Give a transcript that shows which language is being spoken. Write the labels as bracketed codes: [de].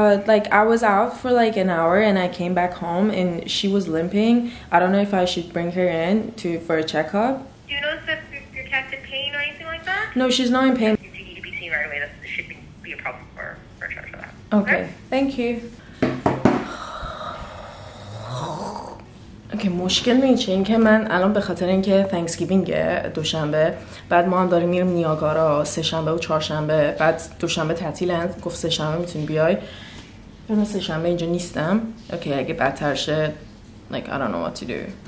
[en] Like I was out for like an hour and I came back home and she was limping. I don't know if I should bring her in to for a checkup. Do you notice that your cat's in pain or anything like that? No, she's not in pain. If you need to be seen right away, that should be a problem for her charge for that. Okay, thank you. [fa] که مشکل می چه این که من الان به خاطر اینکه Thanksgiving دوشنبه، بعد ما هم داریم میریم نیاگارا سه شنبه و چهار شنبه، بعد دوشنبه تعطیلن، گفت سه شنبه میتونی بیای، من سه شنبه اینجا نیستم. اوکی اگه بدتر شه [en] like I don't know what to do.